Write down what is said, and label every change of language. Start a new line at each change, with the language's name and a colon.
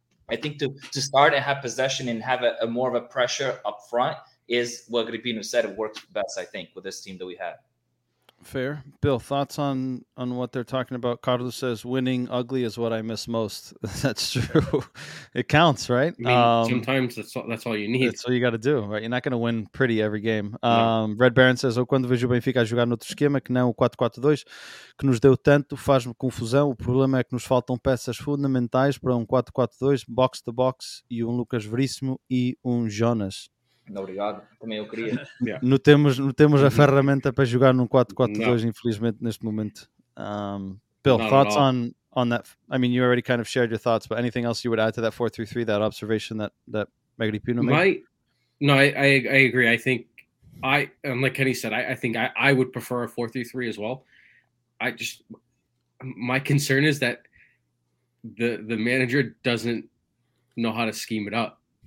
English: I think to start and have possession and have a more of a pressure up front is what Agrippino said. It works best, I think, with this team that we have. Fair. Bill, thoughts on what they're talking about? Carlos says, winning ugly is what I miss most. That's true. It counts, right? I mean, sometimes that's all you need. That's all you got to do, right? You're not going to win pretty every game.
Portuguese: Red Baron
English: says,
Portuguese: ou quando vejo o Benfica a jogar noutro esquema, que não o 4-4-2, que nos deu tanto, faz-me confusão. O problema é que nos faltam peças fundamentais para 4-4-2, box-to-box, e Lucas Veríssimo e Jonas. Obrigado, também eu queria. Não temos a ferramenta para jogar num 4-4-2, infelizmente, neste momento.
English: Bill, thoughts on on that? I mean, you already kind of shared your thoughts, but anything else you would add to that 4-3-3, that observation that Megadeth Pino made? No, I agree. I think I would prefer a 4-3-3 as well. I just, my concern is that the manager doesn't know how to scheme it up.